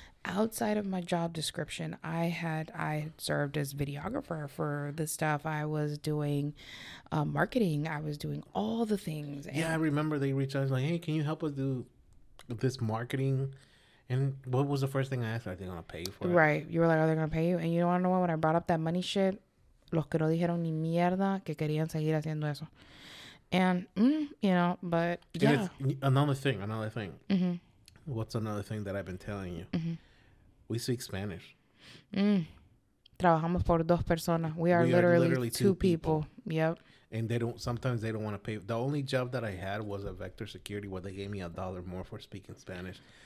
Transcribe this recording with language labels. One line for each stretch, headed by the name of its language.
English: Outside of my job description, I had served as videographer for the stuff. I was doing marketing. I was doing all the things. And yeah, I remember they reached out. I was like, hey, can you help us do this marketing? And what was the first thing I asked? Are they going to pay you for it? Right. You were like, are they going to pay you? And you don't want to know when I brought up that money shit?
Spanish: Los que no dijeron ni mierda que querían seguir haciendo eso.
English: And, you know, but yeah. And it's another thing. Mm-hmm. What's another thing that I've been telling you? Mm-hmm. We speak Spanish. Mm.
Spanish: Trabajamos por dos personas.
English: We are literally two people. Yep. And sometimes they don't want to pay. The only job that I had was a Vector Security where they gave me $1 more for speaking Spanish.